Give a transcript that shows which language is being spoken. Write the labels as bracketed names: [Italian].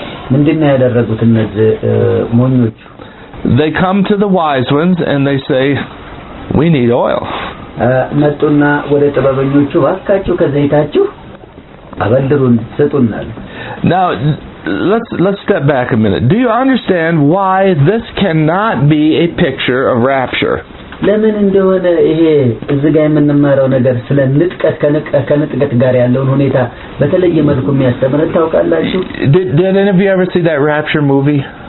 [English] They come to the wise ones and they say, we need oil. Now let's step back a minute. Do you understand why this cannot be a picture of rapture? [Amharic] ለምን እንደሆነ ይሄ እዚጋ የምንማረው ነገር ስለ ንጥቀት ከንጥቀት ጋር ያለውን ሁኔታ በተለየ መልኩ የሚያስተምረን ታውቃላችሁ? [English] Did any of you ever see that rapture movie?